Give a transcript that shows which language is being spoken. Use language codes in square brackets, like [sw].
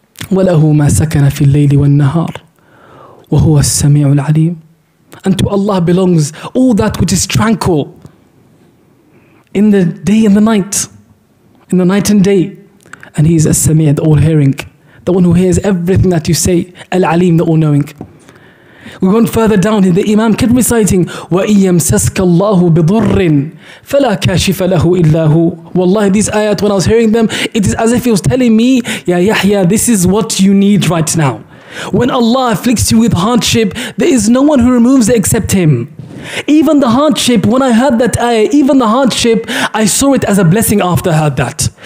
[ar] وَلَهُ مَا سَكَنَ فِي اللَّيْلِ وَالنَّهَارِ وَهُوَ السَّمِيعُ الْعَلِيمُ. [en] And to Allah belongs all that which is tranquil in the day and the night, in the night and day. And he is السَّمِيعُ, the all-hearing, the one who hears everything that you say, الْعَلِيمُ, the all-knowing. We went further down. The Imam kept reciting, [ar] وَإِن يَمْسَسْكَ اللَّهُ بِضُرٍ فَلَا كَاشِفَ لَهُ إِلَّا هُوَ. [en] Wallahi, these ayat, when I was hearing them, it is as if he was telling me, Ya Yahya, this is what you need right now. When Allah afflicts you with hardship, there is no one who removes it except Him. Even the hardship, when I heard that ayah, even the hardship, I saw it as a blessing after I heard that.